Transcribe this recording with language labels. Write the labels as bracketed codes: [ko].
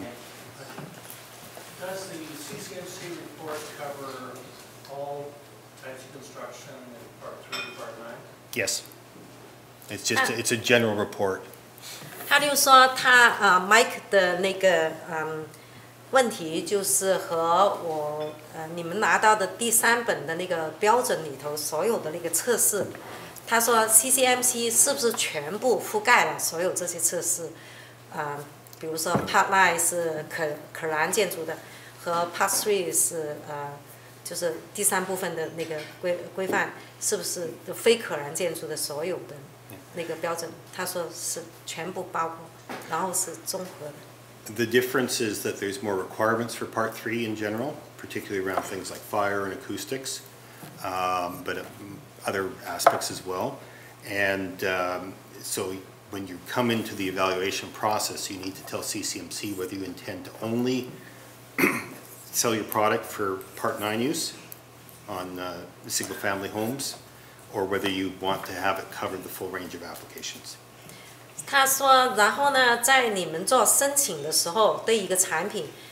[en] Does the CCMC report cover all types of construction in Part 3 and Part 9? Yes. It's just it's a general report. [zh] 他就说他, Mike的那个, 问题就是和我, 你们拿到的第三本的那个标准里头所有的那个测试, 他说 CCMC 是不是全部覆盖了所有这些测试？比如说 Part 9 是可燃建筑的，和 Part 3 是就是第三部分的那个规范，是不是非可燃建筑的所有的那个标准？他说是全部包括，然后是综合的。 [en] The difference is that there's more requirements for Part 3 in general, particularly around things like fire and acoustics, but other aspects as well. And so when you come into the evaluation process, you need to tell CCMC whether you intend to only sell your product for Part 9 use on single family homes, or whether you want to have it cover the full range of applications. [zh] 他说，然后呢，在你们做申请的时候，对一个产品。